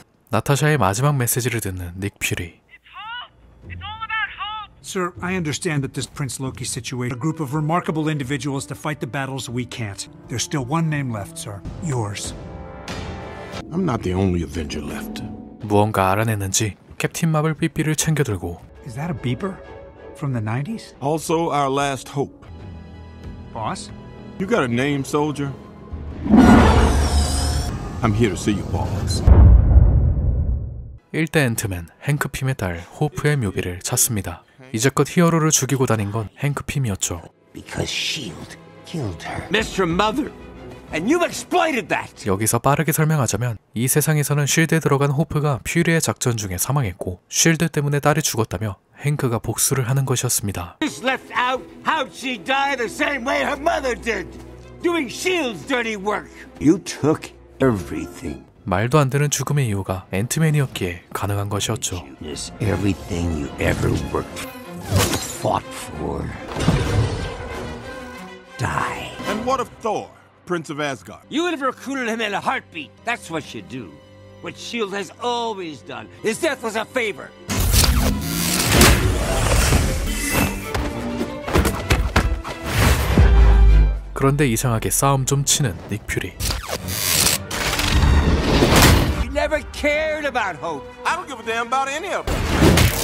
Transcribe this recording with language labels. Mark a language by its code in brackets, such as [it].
[ko] 나타샤의 마지막 메시지를 듣는 닉 퓨리. [en] Sir, I understand that this Prince Loki situation, a group of remarkable individuals to fight the battles we can't. There's still one name left, sir. Yours. I'm not the only Avenger left. [ko] 무언가 알아냈는지 캡틴 마블 삐삐를 챙겨들고. [en] Is that a beeper? From the 90s? Also our last hope. Boss? You got a name, soldier? I'm here to see you, boss. [ko] 1대 앤트맨, 행크 핌의 딸, 호프의 묘비를 찾습니다. 이제껏 히어로를 죽이고 다닌 건 행크 핌이었죠. [en] Because S.H.I.E.L.D. killed her. Mr. Mother! And you've exploited that! [ko] 여기서 빠르게 설명하자면 이 세상에서는 S.H.I.E.L.D.에 들어간 호프가 퓨리의 작전 중에 사망했고 S.H.I.E.L.D. 때문에 딸이 죽었다며 행크가 복수를 하는 것이었습니다. [en] Just left out how she died the same way her mother did. Doing S.H.I.E.L.D.'s dirty work. You took everything. [ko] 말도 안 되는 죽음의 이유가 앤트맨이었기에 가능한 것이었죠. [en] Is everything you ever worked for, fought for, die. And what of Thor, Prince of Asgard? You would have recruited him in a heartbeat. That's what you do. What S.H.I.E.L.D. has always done. His death was a favor. [ko] 그런데 이상하게 싸움 좀 치는 닉 퓨리. [en] Never cared about hope. I don't give a damn about any of them.